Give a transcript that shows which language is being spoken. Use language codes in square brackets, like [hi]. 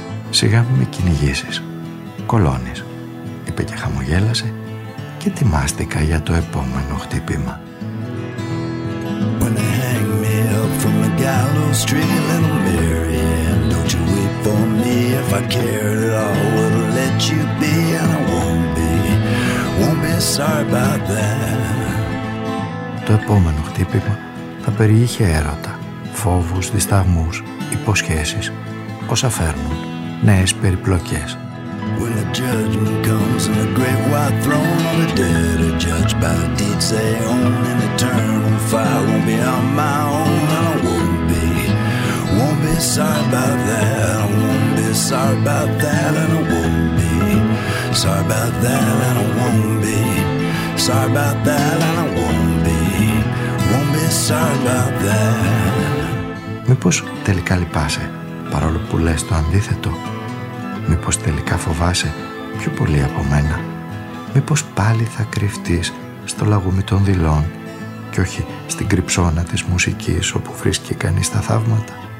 [el] Σιγά μου με κυνηγήσεις, κολώνεις, είπε και χαμογέλασε. Και ετοιμάστηκα για το επόμενο χτύπημα. [en] When they hang me up from the gallows tree, little Marianne, don't you weep for me. If I cared at all, I'd let you be, and I won't be sorry about that. [el] Το επόμενο χτύπημα θα περιείχε έρωτα, φόβους, δισταγμούς, υποσχέσεις, όσα φέρνουν νέες περιπλοκές. [en] When the judgment comes in the great white throne, all the dead are judged by the deeds they own. An eternal fire won't be on my own. I won't be sorry about that. I won't be sorry about that. And I won't be sorry about that. And I won't be sorry about that. And I won't be sorry about that. [el] Μήπως τελικά λυπάσαι, παρόλο που λες το αντίθετο? Μήπως τελικά φοβάσαι πιο πολύ από μένα? Μήπως πάλι θα κρυφτείς στο λαγούμι των δειλών και όχι στην κρυψώνα της μουσικής όπου βρίσκει κανείς τα θαύματα?